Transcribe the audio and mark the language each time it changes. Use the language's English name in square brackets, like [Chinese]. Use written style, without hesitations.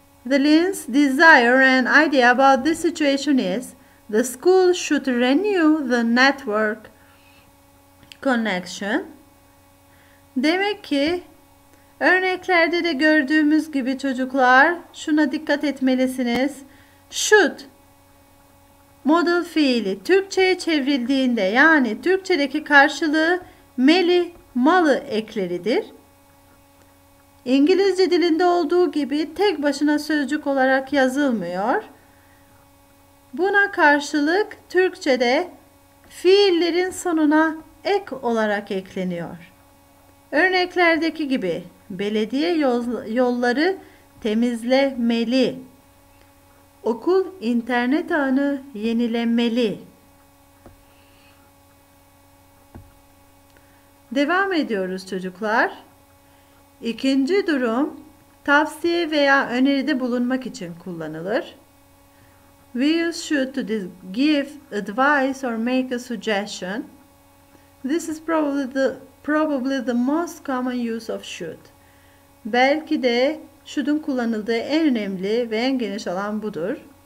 [English] The Lee's desire and idea about this situation is the school should renew the network connection. [Turkish] Demek ki örneklerde de gördüğümüz gibi çocuklar şuna dikkat etmelisiniz. Should model fiili Türkçe'ye çevrildiğinde, yani Türkçedeki karşılığı meli, malı ekleridir. İngilizce dilinde olduğu gibi tek başına sözcük olarak yazılmıyor. Buna karşılık Türkçe'de fiillerin sonuna ek olarak ekleniyor. Örneklerdeki gibi belediye yolları temizlemeli. Okul internet ağını yenilemeli. Devam ediyoruz çocuklar. İkinci durum tavsiye veya öneride bulunmak için kullanılır. [English] We use should to give advice or make a suggestion. This is probably the most common use of should. [Turkish] Belki de should'un kullanıldığı en önemli ve en geniş alan budur.